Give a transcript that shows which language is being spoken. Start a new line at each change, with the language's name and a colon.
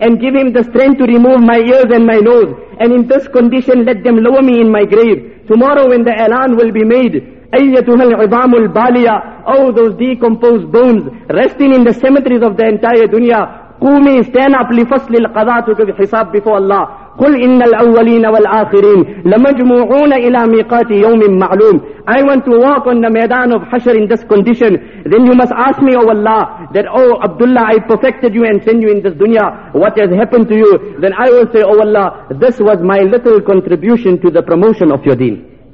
English: And give him the strength to remove my ears and my nose. And in this condition, let them lower me in my grave. Tomorrow when the alan will be made,
Arabic: أَيَّتُهَا الْعِظَامُ الْبَالِيَةُ.
English: Oh, those decomposed bones, resting in the cemeteries of the entire dunya.
Arabic: قُومِي,
English: stand up,
Arabic: لِفَصْلِ الْقَضَاءِ.
English: To give hisab before Allah.
Arabic: قل ان الاولين والاخرين لمجموعون الى ميقات يوم معلوم.
English: I want to walk on the Maidan of Hashr in this condition. Then you must ask me, O Allah, that, O Abdullah, I perfected you and sent you in this dunya. What has happened to you? Then I will say, O Allah, this was my little contribution to the promotion of your deen.